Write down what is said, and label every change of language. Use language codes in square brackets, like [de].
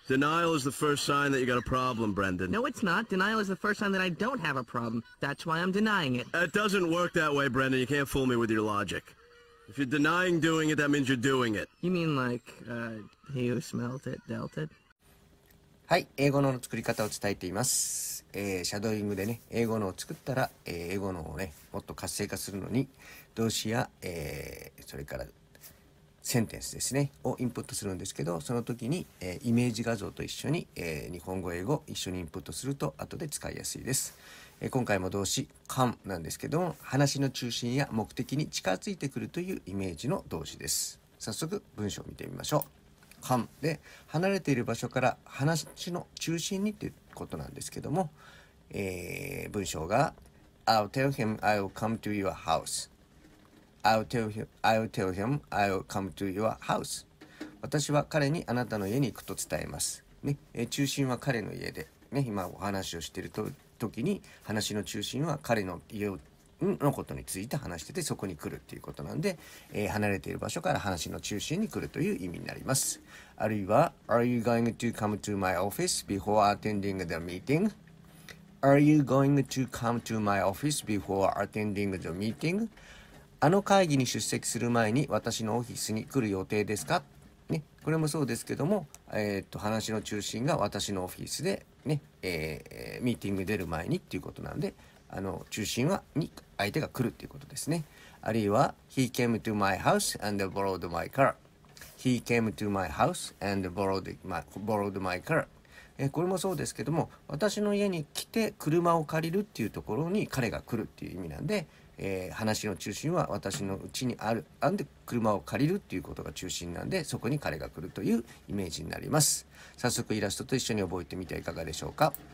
[en] Denial is the first sign that you got a problem, Brendan. No, it's not. Denial is the first sign that I don't have a problem. That's why I'm denying it. It doesn't work that way, Brendan. You can't fool me with your logic. If you're denying doing it, that means you're doing it. You mean like, he who smelt it dealt it? [ja] はい、英語の作り方を伝えています。シャドーイングでね、英語のを作ったら、英語のをね、もっと活性化するのに、動詞や、それから、センテンスですね、をインプットするんですけど、その時に、イメージ画像と一緒に、日本語、英語一緒にインプットすると後で使いやすいです。今回も動詞、come なんですけども、話の中心や目的に近づいてくるというイメージの動詞です。早速文章を見てみましょう。 come で、離れている場所から話の中心にということなんですけども、文章が、 [en] I'll tell him I'll come to your house. I'll tell him I'll come to your house. [ja] 私は彼にあなたの家に行くと伝えます。ね、中心は彼の家で、ね、今お話をしている時に話の中心は彼の家のことについて話しててそこに来るということなんで、離れている場所から話の中心に来るという意味になります。あるいは、 [en] Are you going to come to my office before attending the meeting? Are you going to come to my office before attending the meeting? [ja] あの会議に出席する前に私のオフィスに来る予定ですか、ね、これもそうですけども、話の中心が私のオフィスで、ねミーティング出る前にっていうことなんで、あの中心はに相手が来るっていうことですね。あるいは、 [en] He came to my house and borrowed my car. He came to my house and borrowed my car. [ja] これもそうですけども、私の家に来て車を借りるっていうところに彼が来るっていう意味なんで、話の中心は私の家にある、あんで車を借りるっていうことが中心なんで、そこに彼が来るというイメージになります。早速イラストと一緒に覚えてみてはいかがでしょうか。